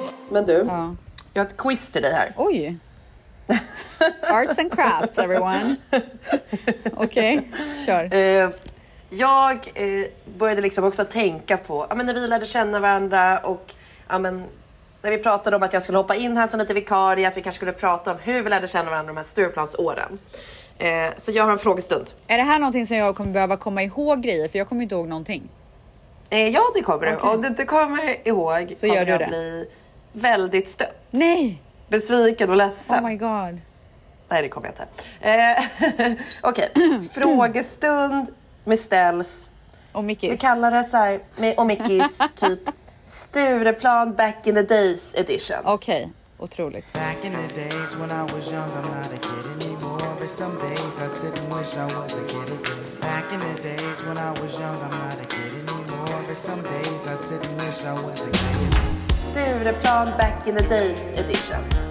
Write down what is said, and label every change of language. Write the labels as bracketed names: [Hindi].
[Swedish] men du, jag har ett quiz till dig här. Oj. [English] Arts and crafts, everyone. [Swedish] Okej, kör. Jag började liksom också tänka på, när vi lärde känna varandra och när vi pratade om att jag skulle hoppa in här som lite vikarie, att vi kanske skulle prata om hur vi lärde känna varandra de här Stureplansåren. Så jag har en frågestund. Är det här någonting som jag kommer behöva komma ihåg grejer? För jag kommer inte ihåg någonting. Ja, det kommer. Okay. Om du inte kommer ihåg så gör du jag det. Bli väldigt stött. Nej! Besviken och ledsen. [English] Oh my god. [Swedish] Nej, det kommer jag inte. Okej. Okay. Frågestund med Ställs. Och Mickis. Vi kallar det så här, med och Mickis, typ Stureplan [English] back in the days edition. [Swedish] Okej. Okay. Otroligt. [English] Back in the days when I was young, I'm not a kid anymore. But some days I sit and wish I was a kid again. Back in the days when I was young, I'm not a kid anymore. But some days I sit and wish I was a kid. Stureplan back in the days edition.